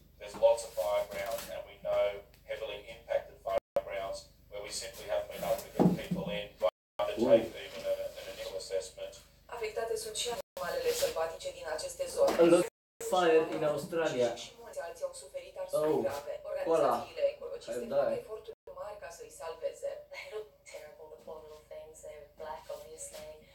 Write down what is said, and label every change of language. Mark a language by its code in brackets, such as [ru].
[en] There's lots of fire grounds, and we know heavily impacted fire grounds where we simply haven't been able to get people in to undertake even an initial assessment. [ro] Afectate sunt și animalele sălbatice din aceste zone. [en] A lot of fire in Australia. [ro] Și mulți alții au suferit arsuri grave. Organizațiile ecologice fac eforturi mari ca să-i salveze. [en] They look terrible, the poor little things. They're black, obviously.